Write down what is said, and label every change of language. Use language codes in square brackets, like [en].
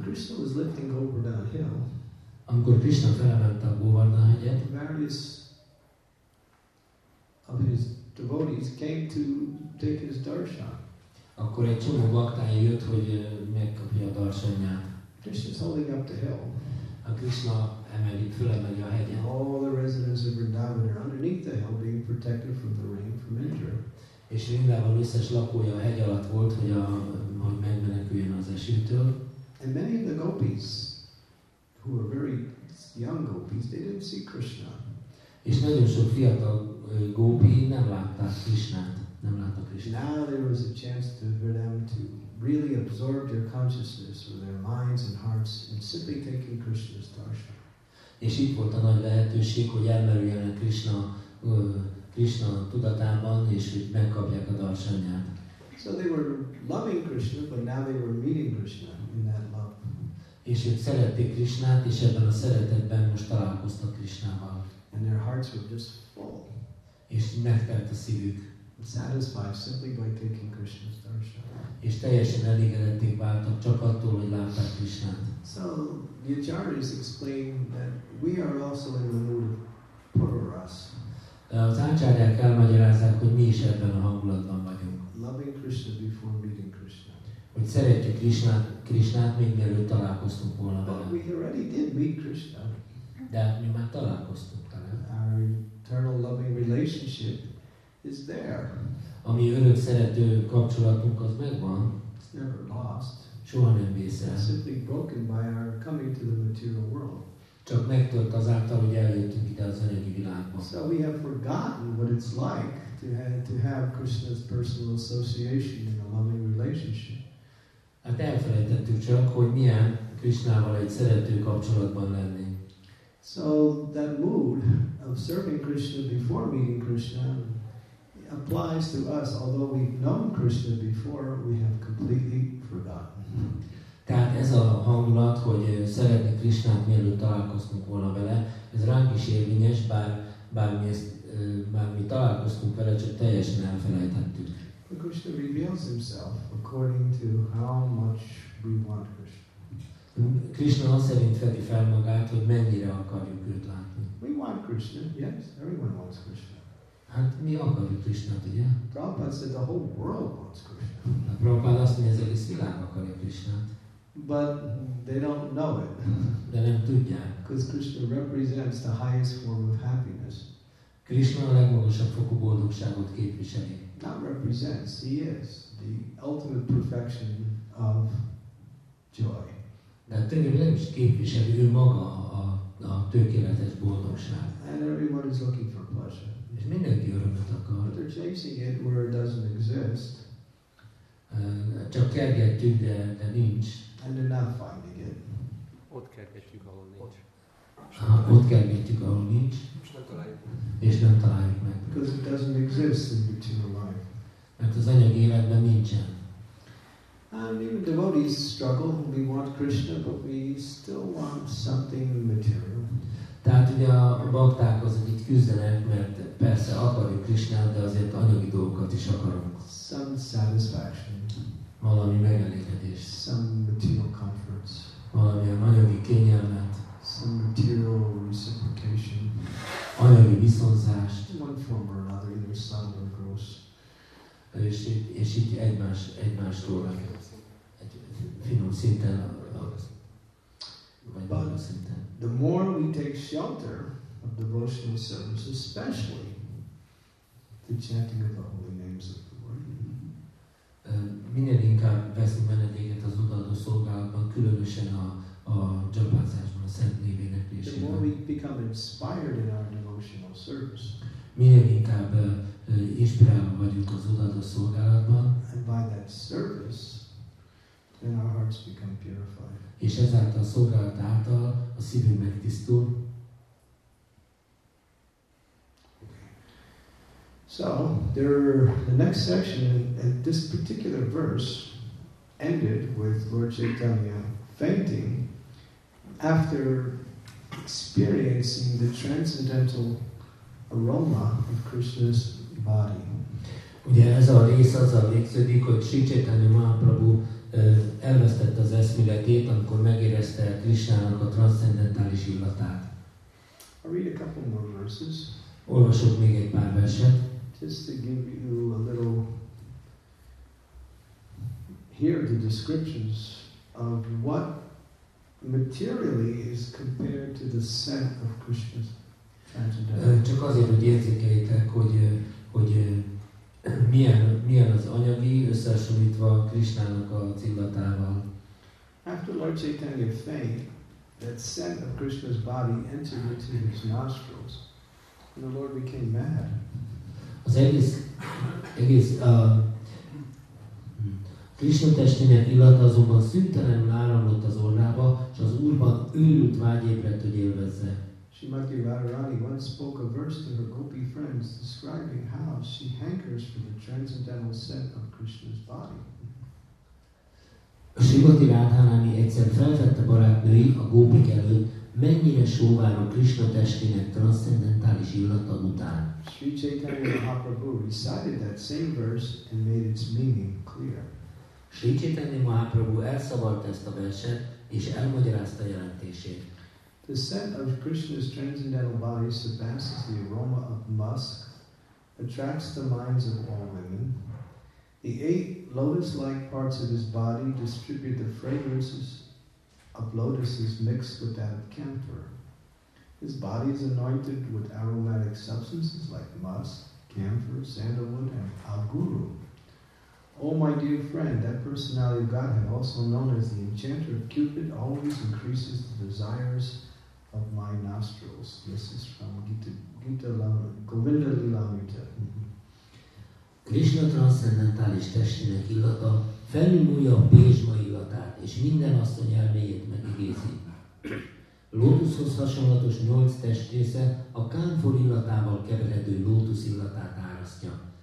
[en] Krishna was lifting Govardhan Hill. [hu] Amikor Krishna felemelte a Govardhan hegyet, [en] various of his devotees came to take his darshan. [hu] Akkor egy csomó baktája jött, hogy megkapja a darshanját. [en] Krishna is holding up the hill. [hu] A Krishna emeli, fölemeli a hegyet. [en] All the residents of Vrindavan are underneath the hill, being protected from the rain from Indra. [hu] És Vrindavan összes lakója a hegy alatt volt, hogy a hogy megmeneküljön az esőtől. [en] And many of the gopis, who were very young gopis, they didn't see Krishna. [hu] És nagyon sok fiatal gópi nem látta Krishnát, nem látta Krishnát. [en] Now there was a chance for them to really absorb their consciousness with their minds and hearts and simply taking Krishna's darshan. [hu] És itt volt a nagy lehetőség, hogy elmerüljenek Krishna Krishna tudatában, és hogy megkapják a darshanját. [en] So they were loving Krishna, but now they were meeting Krishna in that love. [hu] És ők szerették Krishnát, és ebben a szeretetben most találkoztak Krishnával. [en] And their hearts were just full. [hu] És megtelt a szívük. [en] Satisfied simply by taking Krishna's darshan. [hu] És teljesen elégedetté váltak csak attól, hogy látták Krishnát. [en] So the acharyas explain that we are also in the mood of Purvaras. [hu] Az ácsárják elmagyarázzák, hogy mi is ebben a hangulatban vagyunk. [en] Loving Krishna before meeting Krishna. [hu] Hogy szeretjük Krishnát, Krishnát még mielőtt találkoztunk volna vele. [en] But we already did meet Krishna. [hu] De mi már találkoztunk vele. [en] Our eternal loving relationship is there. [hu] Ami örök szerető kapcsolatunk, az megvan. [en] It's never lost. [hu] Soha nem vészel. [en] It's simply broken by our coming to the material world. [hu] Csak megtört azáltal, hogy eljöttünk ide az anyagi világba. [en] So we have forgotten what it's like to have Krishna's personal association in a loving relationship. [hu] Hát elfelejtettük csak, hogy milyen Krishnával egy szerető kapcsolatban lenni. [en] So that mood of serving Krishna before meeting Krishna applies to us, although we've known Krishna before, we have completely forgotten. [hu] Tehát ez a hangulat, hogy szeretni Krishnát, mielőtt találkoztunk volna vele, ez ránk is érvényes, bár mi találkoztunk vele, csak teljesen elfelejtettük. [en] But Krishna reveals himself according to how much we want Krishna. [hu] Krishna azt szerint fedi fel magát, hogy mennyire akarjuk őt látni. [en] We want Krishna, yes, everyone wants Krishna. [hu] Hát mi akarjuk Krishnát, ugye? [en] Prabhupada said the whole world wants Krishna. [hu] A Prabhupada azt mondja, az egész világ akarja Krishnát. [en] But they don't know it. [hu] De nem tudják. [en] Because Krishna represents the highest form of happiness. [hu] Krishna a legmagasabb fokú boldogságot képviseli. [en] Not represents, he is the ultimate perfection of joy. [hu] De tényleg nem is képviseli, ő maga a tökéletes boldogság. [en] And everyone is looking for pleasure. [hu] És mindenki örömet akar. [en] But they're chasing it where it doesn't exist. [hu] Csak kergetjük, de nincs. [en] And they're not finding it. [hu] Ott kergetjük, ahol nincs. Ott kergetjük, ahol nincs. És nem találjuk meg. És nem találjuk meg. [en] Because it doesn't exist in material life. [hu] Mert az anyagi életben nincsen. [en] And even devotees struggle. We want Krishna, but we still want something material. [hu] Tehát ugye a bakták azok itt küzdenek, mert persze akarjuk Krisnát, de azért anyagi dolgokat is akarunk. [en] Some satisfaction. [hu] Valami megelégedés. [en] Some material comforts. [hu] Valamilyen anyagi kényelmet. [en] Some material reciprocation. [hu] Anyagi viszonzást. [en] One form or another, either subtle or gross. [hu] És itt egymástól meg. Egy finom szinten. [en] But the more we take shelter of devotional service, especially the chanting of the holy names of the Lord, [hu] minél inkább veszünk menedéket az odaadó szolgálatban, különösen a dzsapázásban, a szent névének présében. [en] The more we become inspired in our devotional service, [hu] minél inkább inspirálva vagyunk az odaadó szolgálatban, [en] and by that service, then our hearts become purified. [hu] És ezáltal a szolgálat által a szívünk megtisztul. [en] So, the next section at this particular verse ended with Lord Chaitanya fainting after experiencing the transcendental aroma of Krishna's body. [hu] Ugye ez a rész az a végződik, hogy Sri Chaitanya Mahaprabhu elvesztette az eszméletét, amikor megérezte Krisnának a transzcendentális illatát. [en] I read a couple more verses. [hu] Olvasok még egy pár verset. [en] Just to give you a little... Here the descriptions of what materially is compared to the scent of Krishna's transcendental. [hu] Csak azért, hogy érzékeljétek, hogy milyen az anyagi összehasonlítva Krishnának a illatával. [en] After Lord Chaitanya fainted, that scent of Krishna's body entered into his nostrils, and the Lord became mad. [hu] Az egész Krishna testének illata azonban szüntelenül áramlott az orrába, és az Úrban őrült vágy ébredt, hogy élvezze. [en] Srimati Radharani once spoke a verse to her gopi friends describing how she hankers for the transcendental scent of Krishna's body. [hu] Srimati Radharani egyszer felvette barátnői a gópik előtt, mennyire sóvárok Krishna testének transzcendentális illata után. [en] Sri Chaitanya Mahaprabhu recited that same verse and made its meaning clear. [hu] Sri Chaitanya Mahaprabhu elszavart ezt a verset és elmagyarázta jelentését. [en] The scent of Krishna's transcendental body surpasses the aroma of musk, attracts the minds of all women. The eight lotus-like parts of his body distribute the fragrances of lotuses mixed with that of camphor. His body is anointed with aromatic substances like musk, camphor, sandalwood, and aguru. Oh, my dear friend, that personality of Godhead, also known as the enchanter of Cupid, always increases the desires of my nostrils. This is from Gita Lama, Govinda Lilamrita. [hu] Krishna transzcendentális testének illata felülmúlja a pézsma illatát, és minden asszony elméjét megigézi. Lótuszhoz hasonlatos 8 testrésze a kánfor illatával keverhető lótusz illatát árasztja.